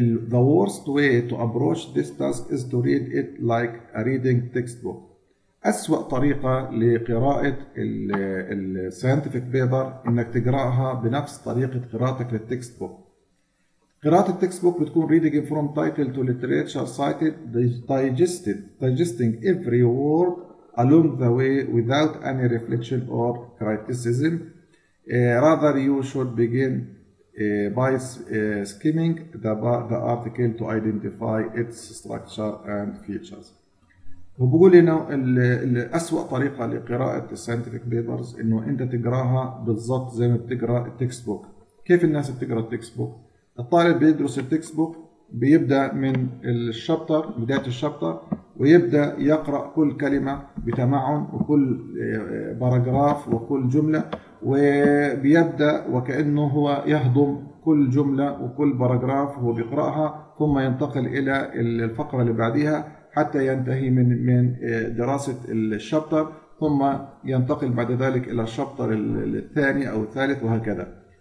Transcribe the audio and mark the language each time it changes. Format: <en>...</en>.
<en>The worst way to approach this task is to read it like a reading textbook.</en> <ar>أسوأ طريقة لقراءة الـ scientific paper إنك تقرأها بنفس طريقة قراءتك للtextbook.</ar> <en>قراءة التكست بوك بتكون reading from title to literature cited digesting every word along the way without any reflection or criticism. Rather you should begin by skimming the article to identify its structure and features.</en> <ar>وبقول انه الأسوأ طريقة لقراءة scientific papers انه انت تقراها بالضبط زي ما بتقرأ التكست بوك. كيف الناس بتقرأ التكست بوك؟ الطالب بيدرس التكست بوك بيبدأ من الشابتر بداية الشابتر ويبدأ يقرأ كل كلمة بتمعن وكل باراجراف وكل جملة وبيبدأ وكأنه هو يهضم كل جملة وكل باراجراف هو بيقرأها ثم ينتقل إلى الفقرة اللي بعدها حتى ينتهي من دراسة الشابتر ثم ينتقل بعد ذلك إلى الشابتر الثاني أو الثالث وهكذا.</ar>